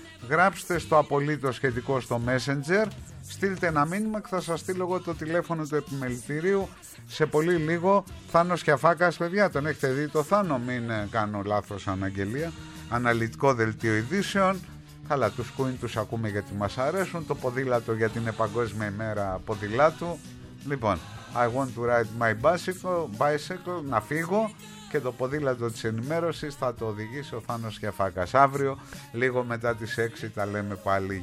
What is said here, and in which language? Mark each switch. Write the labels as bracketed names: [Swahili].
[Greek] Γράψτε στο απολύτως σχετικό στο Messenger, στείλτε ένα μήνυμα και θα σας στείλω εγώ το τηλέφωνο του επιμελητηρίου. Σε πολύ λίγο, Θάνος Χιαφάκας, παιδιά, τον έχετε δει το Θάνο, μην κάνω λάθος αναγγελία. Αναλυτικό δελτίο ειδήσεων. Καλά, τους Queen τους ακούμε γιατί μας αρέσουν. Το ποδήλατο γιατί είναι παγκόσμια ημέρα ποδηλάτου. Λοιπόν, [English] I want to ride my bicycle, [Greek] να φύγω. Και το ποδήλατο της ενημέρωσης θα το οδηγήσει ο Θάνος Χιαφάκας αύριο. Λίγο μετά τις 6 τα λέμε πάλι.